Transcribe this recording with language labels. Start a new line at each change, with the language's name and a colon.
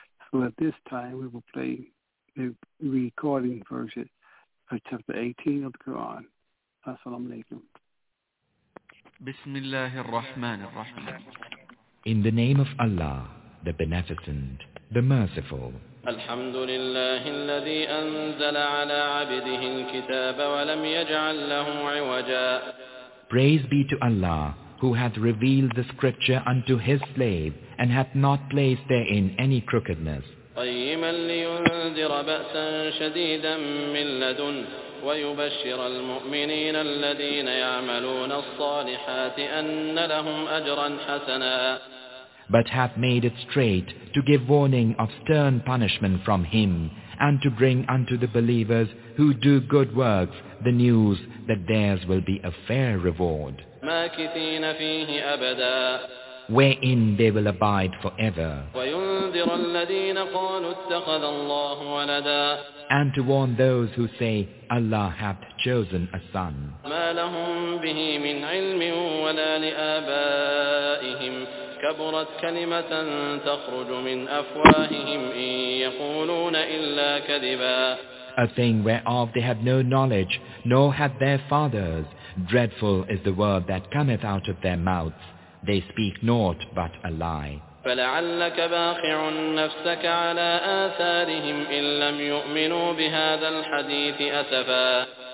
English: So at this time, we will play the recording version of chapter 18 of the Quran.
Arabic: As-salamu alaykum. Bismillah ar-Rahman ar-Rahim.
English: In the name of Allah, the Beneficent, the Merciful.
Arabic: Alhamdulillah, الذي أنزل على عبده الكتاب ولم يجعل له عوجا.
English: Praise be to Allah, who hath revealed the scripture unto his slave, and hath not placed therein any crookedness.
Arabic: قَيِّمًا لِيُنذِرَ بَأْسًا شَدِيدًا مِّن لَّدُنْهُ وَيُبَشِّرَ الْمُؤْمِنِينَ الَّذِينَ يَعْمَلُونَ الصَّالِحَاتِ أَنَّ لَهُمْ أَجْرًا حَسَنًا.
English: But hath made it straight to give warning of stern punishment from him, and to bring unto the believers who do good works the news that theirs will be a fair reward.
Arabic: ماكثين فيه أبدا.
English: Wherein they will abide forever.
Arabic: وينذر الذين قالوا اتخذ الله ولدا.
English: And to warn those who say, Allah hath chosen a son.
Arabic: ما لهم به من علم ولا لآبائهم كبرت كلمة تخرج من أفواههم إن يقولون إلا كذبا.
English: A thing whereof they have no knowledge, nor have their fathers. Dreadful is the word that cometh out of their mouths. They speak naught but a lie.
Arabic: فَلَعَلَّكَ بَاخِعٌ نَفْسَكَ عَلَىٰ آثَارِهِمْ إِنْ لَمْ يُؤْمِنُوا بِهَذَا الْحَدِيثِ أَسَفًا.